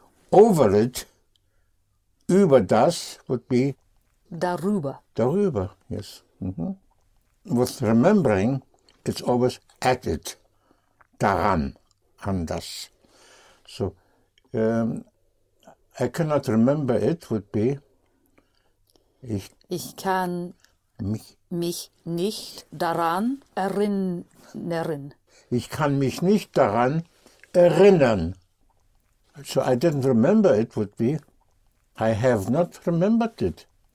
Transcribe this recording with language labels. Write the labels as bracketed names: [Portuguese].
[English] Over it, [German] über das [English] would be [German] darüber. Darüber, [English] yes. [German] Mm-hmm. [English] With remembering, it's always at it, [German] daran, an das. [English] So, I cannot remember it would be [German] ich kann mich nicht daran erinnern. Ich kann mich nicht daran erinnern. [English] So I didn't remember it would be I have not remembered it.